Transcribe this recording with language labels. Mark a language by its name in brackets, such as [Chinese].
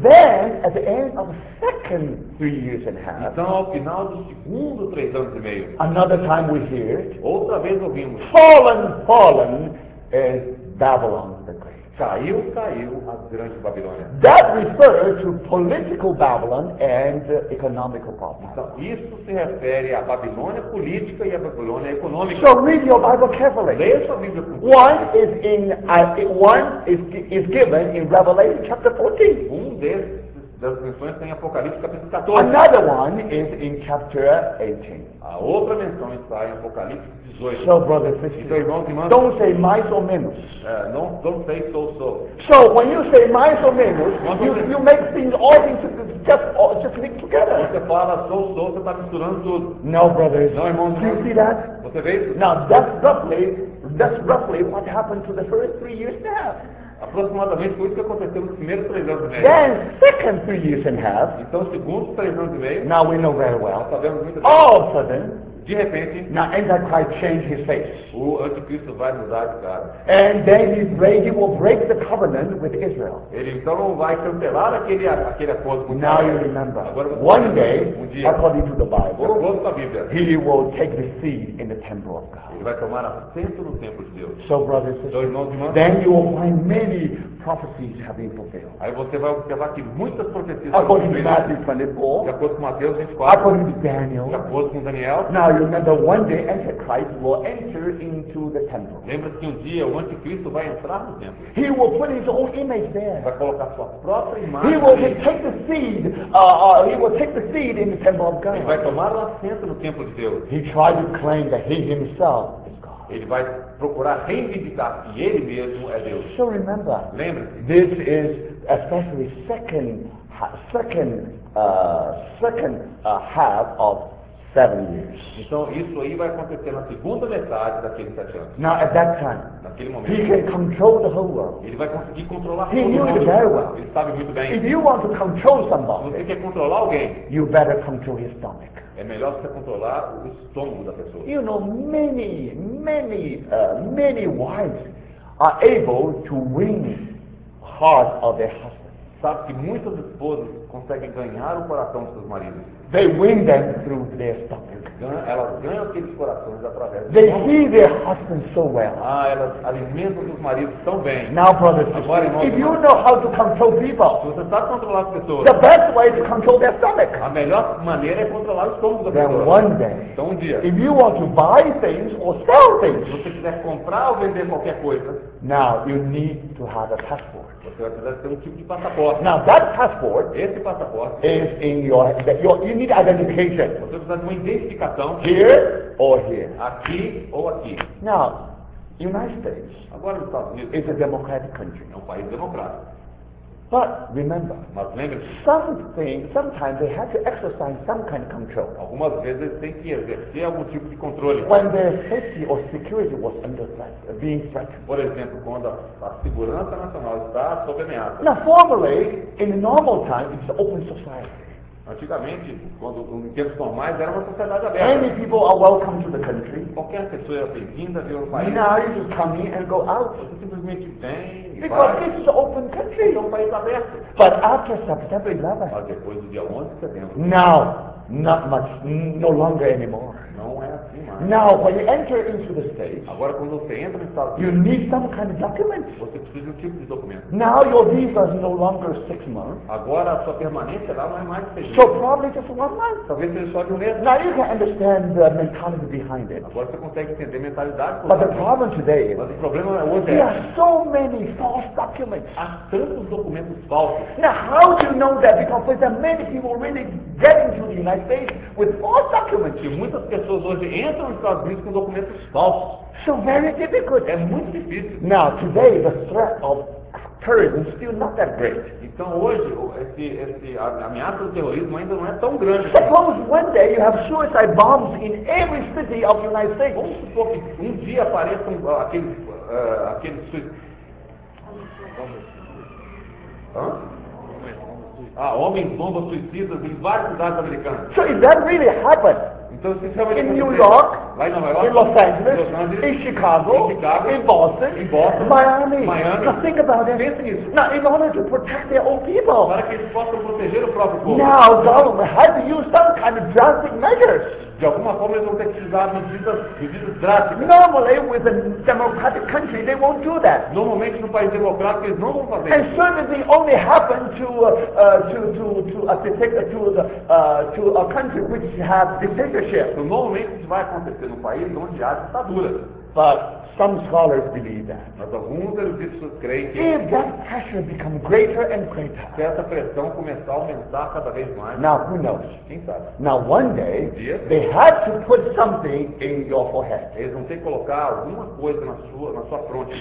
[English] Then, at the end of the second 3 years and a half. [Portuguese] Então, ao final do segundo 3 anos e meio. [English] Another time we hear. [Portuguese] Outra vez ouvimos. [English] Fallen is Babylon the Great. [Portuguese] Caiu a grande Babilônia. [English] That refers to political Babylon and economical Babylon. [Portuguese] Então, isso se refere à Babilônia política e à Babilônia econômica. [English] So read your Bible carefully. [Portuguese] Leia sua Bíblia com cuidado. [English] One is given in Revelation chapter 14. [Portuguese] Um das menções tem Apocalipse capítulo 14. [English] Another one is in chapter 18. [Portuguese] A outra menção está em Apocalipse 18. [English] So, brothers, [Portuguese] então, irmãos e irmãs, [English] don't say [Portuguese] mais ou menos. [English] Don't say so. So, when you say [Portuguese] mais ou menos, [English] you make things all things just mix together. [Portuguese] Você fala so, você está misturando tudo. [English] No, brothers. [Portuguese] Não, irmãos. [English] Do you see that? [Portuguese] Você vê isso? [English] Now, that's roughly what happened to the first 3 years and a half. [Portuguese] Aproximadamente foi isso que aconteceu nos primeiros 3 anos e meio. [English] Then, second 3 years and a half. [Portuguese] Então, segundos 3 anos e meio. [English] Now we know very well. [Portuguese] Sabemos muito bem. [English] All of a sudden. [Portuguese] De repente. [English] Now, Antichrist changed his face. [Portuguese] O Anticristo vai mudar de cara. [English] And then he will break the covenant with Israel. [Portuguese] Ele então vai cancelar aquele acordo com Israel. [English] Now you remember. [Portuguese] Agora, [English] one day, according to the Bible, [Portuguese] com a Bíblia, [English] he will take the seat in the temple of God. [Portuguese] Ele vai tomar assento no templo de Deus. [English] So, brothers, [Portuguese] então, irmãos e irmãs, [English] then you will find many prophecies have been fulfilled. [Portuguese] Aí você vai observar que muitas profecias [English] according to Matthew 24, [Portuguese] de acordo com Mateus 24, [English] according to Daniel, [Portuguese] de acordo com Daniel. [English] Now you remember one day Antichrist will enter into the temple. [Portuguese] Lembra-se que um dia o Anticristo vai entrar no templo. [English] He will put his own image there. [Portuguese] Vai colocar sua própria imagem. [English] He will take the seed in the temple of God. [Portuguese] Ele vai tomar o assento no templo de Deus. [English] He tried to claim that he himself is God. [Portuguese] Ele vai procurar reivindicar que ele mesmo é Deus. [English] So remember. [Portuguese] Lembre-se. [English] This is especially second half of 7 years. [Portuguese] Então, isso aí vai acontecer na segunda metade daqueles 7 anos. [English] Now, at that time, [Portuguese] naquele momento, [English] he can control the whole world. [Portuguese] Ele vai conseguir controlar [English] he [Portuguese] todo [English] knew [Portuguese] mundo. [English] It very well. [Portuguese] Ele sabe muito bem. [English] If you want to control somebody, [Portuguese] se você quer controlar alguém, [English] you better control his stomach. [Portuguese] É melhor você controlar o estômago da pessoa. [English] You know, many wives are able to win the heart of their husband. [Portuguese] Sabe que muitas esposas conseguem ganhar o coração dos seus maridos. [English] They win them through their stomach. [Portuguese] Elas ganham aqueles corações através. [English] They feed their husbands so well. [Portuguese] Ah, elas alimentam os maridos tão bem. [English] Now, brothers, [Portuguese] agora, irmãos, [English] if you know how to control people, [Portuguese] se você sabe controlar as pessoas, [English] the best way is to control their stomach. [Portuguese] A melhor maneira é controlar o estômago da pessoa. [English] Then one day, [Portuguese] então um dia, [English] if you want to buy things or sell things, [Portuguese] se você quiser comprar ou vender qualquer coisa, [English] now you need to have a passport. [Portuguese] Você vai precisar ter tipo de passaporte. [English] Now that passport, [Portuguese] esse passaporte, [English] is in your you need identification. [Portuguese] Você precisa de uma identificação. [English] Here or here. [Portuguese] Aqui ou aqui. [English] Now, United States. [Portuguese] Agora os Estados Unidos. [English] Is a democratic country. [Portuguese] É um país democrático. [English] But remember. [Portuguese] Mas lembre-se. [English] Sometimes they have to exercise some kind of control. [Portuguese] Algumas vezes eles têm que exercer algum tipo de controle. [English] When their safety or security was under threat, being threatened. [Portuguese] Por exemplo, quando a segurança nacional está sob ameaça. [English] Now, formerly, in normal times, it's an open society. [Portuguese] Antigamente, quando em tempos normais, era uma sociedade aberta. [English] Many people are welcome to the country. [Portuguese] Qualquer pessoa era bem-vinda, viu, país. [English] Now you just come in and go out. [Portuguese] Você simplesmente vem. [English] Because this is an open country. [Portuguese] É um país aberto. [English] But after September 11. [Portuguese] Mas depois do dia 11 de setembro. [English] Now, not much, no longer anymore. [Portuguese] Não é assim mais. [English] Now, when you enter into the state, [Portuguese] agora quando você entra no estado, [English] you need some kind of document. [Portuguese] Você precisa de um tipo de documento. [English] Now your visa is no longer 6 months. [Portuguese] Agora a sua permanência lá não é mais 6 meses. [English] So probably just 1 month. [Portuguese] Talvez seja só de 1 mês. [English] Now you can understand the mentality behind it. [Portuguese] Agora você consegue entender a mentalidade. [English] But the problem today is, [Portuguese] mas o problema hoje [English] there are so many false documents. [Portuguese] Há tantos documentos falsos. [English] Now how do you know that? Because there are many people really getting to the United States with false documents. [Portuguese] E muitas pessoas hoje entram nos Estados Unidos com documentos falsos. [English] So very difficult. [Portuguese] É muito difícil. [English] Now, today, the threat of terrorism is still not that great. [Portuguese] Então hoje, a ameaça do terrorismo ainda não é tão grande. [English] Suppose one day you have suicide bombs in every city of the United States. [Portuguese] Vamos supor que um dia apareçam aqueles suicídios. Homens bombas suicidas em várias cidades americanas. [English] So if that really happened, [Portuguese] então, se isso [English] in New York, [Portuguese] lá em Nova York, [English] in Los Angeles, in Chicago, in Boston, Miami. Now think about it. [Portuguese] Pense nisso. [English] Now in order to protect their own people. [Portuguese] Para que eles possam proteger o próprio povo. [English] Now government had to use some kind of drastic measures. [Portuguese] De alguma forma eles vão ter que usar medidas drásticas. [English] Normally with a democratic country they won't do that. [Portuguese] Normalmente num país democrático eles não vão fazer isso. [English] And certainly only happen to a country which has dictatorship. [Portuguese] Então, normalmente isso vai acontecer num país onde há ditadura. [English] But some scholars believe that. [Portuguese] Mas alguns eruditos creem que [English] if that pressure become greater and greater, [Portuguese] se essa pressão começar a aumentar cada vez mais, [English] now who knows? [Portuguese] Quem sabe? [English] Now one day [Portuguese] dia, [English] they had to put something in your forehead. [Portuguese] Eles vão ter que colocar alguma coisa na sua fronte.